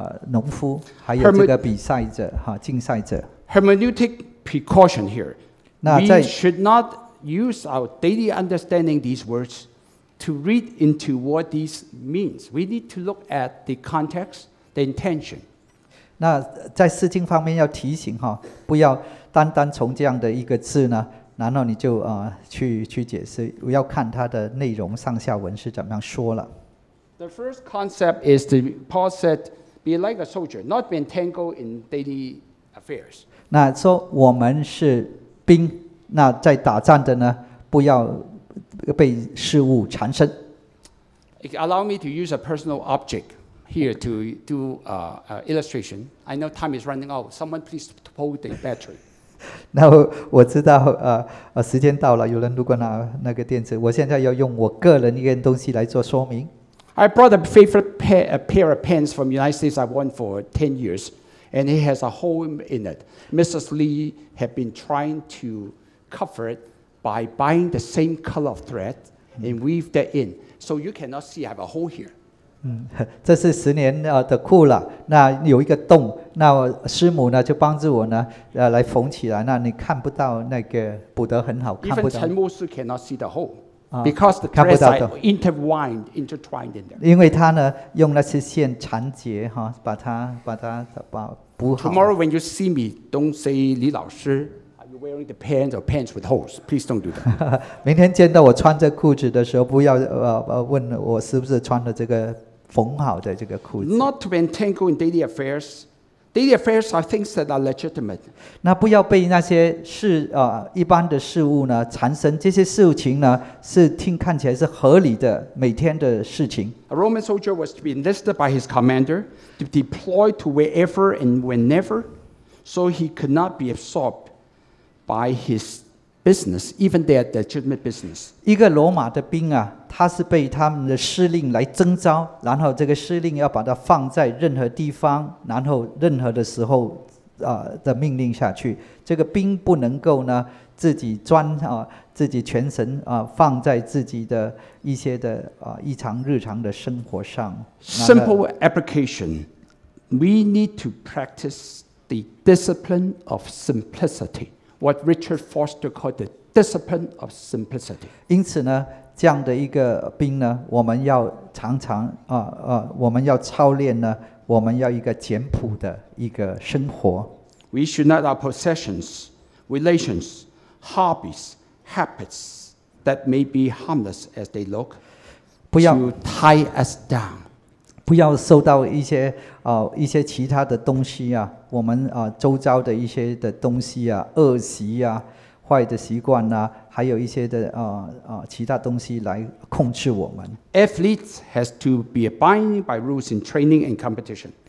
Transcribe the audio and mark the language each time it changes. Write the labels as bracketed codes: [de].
[zh] 农夫，还有这个比赛者哈，竞赛者。 [en] Hermeneutic precaution here. We should not use our daily understanding these words to read into what these means. We need to look at the context, the intention. [zh] 那在释经方面要提醒哈，不要单单从这样的一个字呢，然后你就去解释，要看它的内容上下文是怎么样说了。 [en] The first concept is the Paul said, "Be like a soldier, not be entangled in daily affairs." [zh] 那说我们是兵，那在打仗的呢，不要被事物缠身。 [en] Allow me to use a personal object here to do illustration. I know time is running out. Someone please pull the battery. [zh] 那我知道时间到了，有人如果拿那个电池，我现在要用我个人一件东西来做说明。 [en] I brought a favorite pair of pants from the United States I won for 10 years, and it has a hole in it. Mrs. Lee had been trying to cover it by buying the same color of thread and weave that in. So you cannot see, I have a hole here. [zh] 这是十年的裤了，那有一个洞，那师母呢就帮助我呢来缝起来，那你看不到那个补得很好，看不到。 [en] Even 陈牧师 cannot see the hole. Because the threads are intertwined in there. [zh] 因为他呢用那些线缠结哈，把它补好。 [en] Tomorrow when you see me, don't say 李老师 you wearing the pants or pants with holes. Please don't do that. [zh] 明天见到我穿着裤子的时候，不要问我是不是穿了这个缝好的这个裤子。 [en] Not to be entangled in daily affairs. Daily affairs are things that are legitimate. [zh] 那不要被那些事一般的事物呢缠身。这些事情呢是听看起来是合理的每天的事情。 [en] A Roman soldier was to be enlisted by his commander to deploy to wherever and whenever. So he could not be absorbed by his business, even their legitimate business. [zh] 一个罗马的兵啊，他是被他们的司令来征召，然后这个司令要把他放在任何地方，然后任何的时候，的命令下去。这个兵不能够呢自己专自己全神放在自己的一些的异常日常的生活上。 [en] Simple application. We need to practice. The discipline of simplicity, what Richard Foster called the discipline of simplicity. [zh] 因此呢，这样的一个兵呢，我们要常常我们要操练呢，我们要一个简朴的一个生活。 [en] We should not our possessions, relations, hobbies, habits that may be harmless as they look, to tie us down. [zh] 不要受到一些一些其他的东西啊，我们周遭的一些的东西啊，恶习啊，坏的习惯啊，还有一些的其他东西来控制我们。 [en] Athletes has to be abiding by rules in training and competition.